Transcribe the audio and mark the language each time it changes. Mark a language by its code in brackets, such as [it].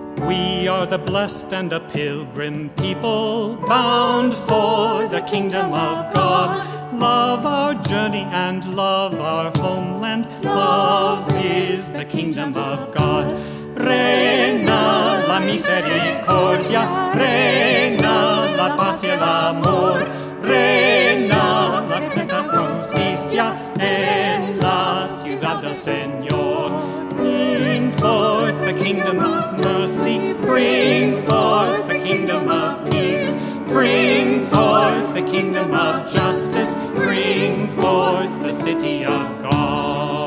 [en] We are the blessed and a pilgrim people, bound for the kingdom of God. Love our journey and love our homeland, love is the kingdom of God. [es] Reina la misericordia, reina la paz y el amor, reina la perfecta justicia en la ciudad del Señor. [en] Bring forth the kingdom of mercy, bring forth the kingdom of peace, bring forth the kingdom of justice, bring forth the city of God.